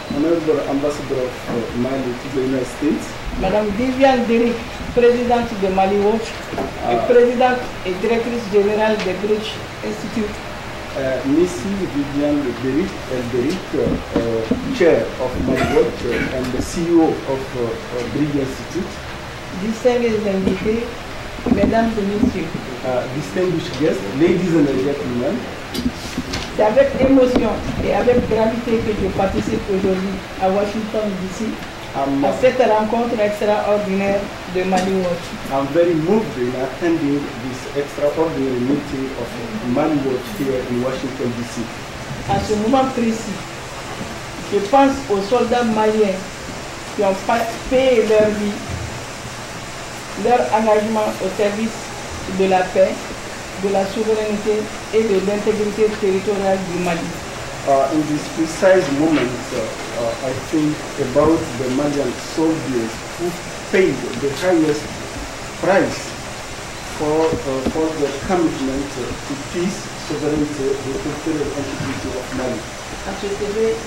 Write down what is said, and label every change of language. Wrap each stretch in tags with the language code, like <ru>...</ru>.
<en>Honorable ambassador of Mali to the United States.</en> <fr>Madame Viviane Derrick, présidente de Mali Watch et présidente et directrice générale de British Institute.</fr> <en>Mrs. Viviane Derrick, chair of Mali Watch and the CEO of British Institute.</en> <fr>Distingués invités, mesdames et messieurs.</fr> <en>Distinguished guests, ladies and gentlemen.</en> <fr>C'est avec émotion et avec gravité que je participe aujourd'hui à Washington DC à cette rencontre extraordinaire de Mali Watch.</fr> <en>I'm very moved in attending this extraordinary meeting of Mali Watch here in Washington DC.</en> <fr>À ce moment précis, je pense aux soldats maliens qui ont payé leur vie, leur engagement au service de la paix, de la souveraineté et de l'intégrité territoriale du Mali.</fr> <en>In this precise moment, I think about the Malian soldiers who paid the highest price for their commitment to peace, sovereignty, the territorial integrity of Mali.</en>